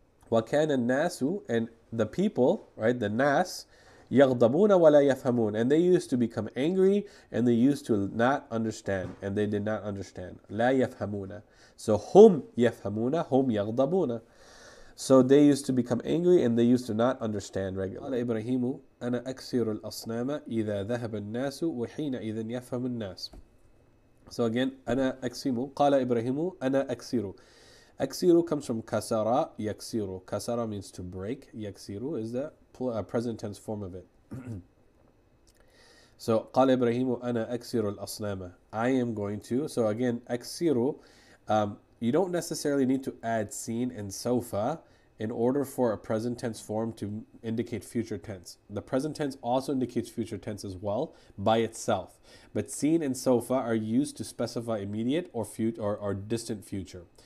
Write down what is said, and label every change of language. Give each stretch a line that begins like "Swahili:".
Arabic: Wa kana nasu,
English: and the people, right, the nas,
Arabic: yaghdabuna wa la yafhamun,
English: and they used to become angry and they used to not understand, and they did not understand.
Arabic: La yafhamuna.
English: So
Arabic: hum yafhamuna, hum yaghdabuna.
English: So they used to become angry and they used to not understand regularly.
Arabic: قال إبراهيم أنا أكسر الأصنام إذا ذهب الناس وحين إذا يفهم الناس.
English: So again,
Arabic: أنا أكسر. قال إبراهيم أنا أكسر. أكسر
English: comes from
Arabic: كسر يكسر.
English: كسر means to break. يكسر is the present tense form of it. So
Arabic: قال إبراهيم أنا أكسر الأصنام.
English: I am going to. So again, أكسر. You don't necessarily need to add seen and sofa in order for a present tense form to indicate future tense. The present tense also indicates future tense as well by itself. But seen and sofa are used to specify immediate or distant future.